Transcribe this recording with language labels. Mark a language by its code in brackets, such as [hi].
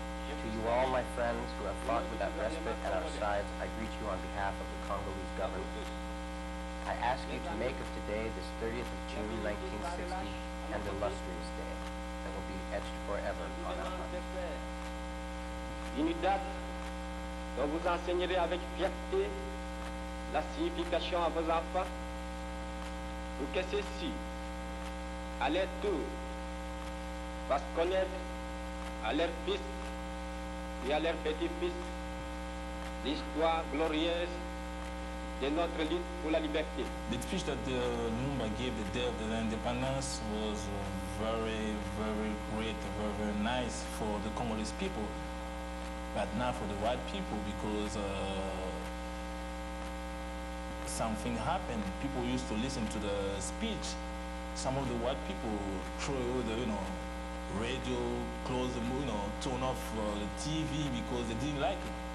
[en] To you all, my friends, who have fought without respite at our sides, I greet you on behalf of the Congolese government. I ask you to make of today, this 30th of June, 1960, an illustrious day that will be etched forever on our hearts. [fr] Donc vous enseignerez avec fierté la signification à vos enfants pour que ceux-ci, à leur tour, fassent connaître à leurs fils et à leurs petits-fils l'histoire glorieuse de notre lutte pour la liberté. [en] The speech that Lumumba gave the day of the independence was very, very great, very, very nice for the Congolese people. But not for the white people, because something happened. People used to listen to the speech. Some of the white people threw the radio, closed the turn off the TV because they didn't like it.